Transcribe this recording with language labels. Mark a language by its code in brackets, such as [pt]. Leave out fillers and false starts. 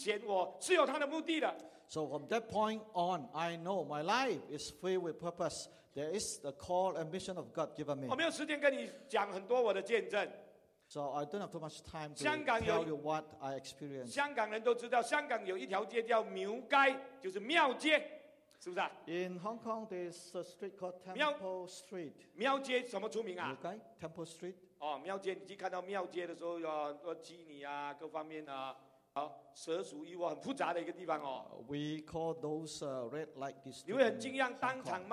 [zh] 所以从那时候开始，我才知道我的生命是精彩的。我知道我有一个使命，我不是围着活着而活着。上帝选我是有他的目的的。 [en] So from that point on, I know my life is filled with purpose. There is the call and mission of God given me. [zh] 我没有时间跟你讲很多我的见证。 [en] So I don't have too much time to tell you what I experienced. [zh] 香港人都知道，香港有一条街叫庙街，就是庙街，是不是啊？ [en] In Hong Kong, there's a street called Temple 庙, Street. [zh] 庙街什么出名啊？ [en] Okay, Temple Street. [zh] 哦，庙街，你去看到庙街的时候，有很多鸡泥啊，各方面啊。蛇鼠蚁窝很复杂的一个地方哦。 [en] We call those red light districts.